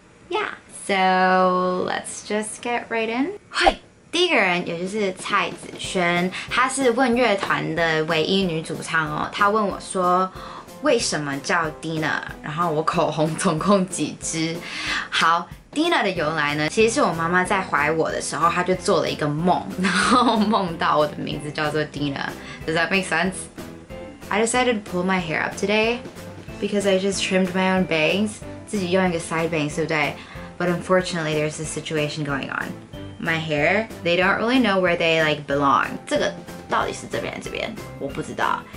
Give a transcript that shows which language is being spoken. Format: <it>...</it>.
<en>Yeah. So let's just get right in.</en> <zh>第一个人也就是蔡子萱，她是问乐团的唯一女主唱哦。她问我说，为什么叫 Dina？ 然后我口红总共几支？好。 Dina 的由来呢，其实是我妈妈在怀我的时候，她就做了一个梦，然后梦到我的名字叫做 Dina。</zh> <en>Does that make sense? I decided to pull my hair up today because I just trimmed my own bangs.</en> <zh>自己用一个 side bang， 对不对？</zh> <en>But unfortunately, there's a situation going on. My hair, they don't really know where they like belong.</en> <zh>这个到底是这边这边，我不知道。</zh>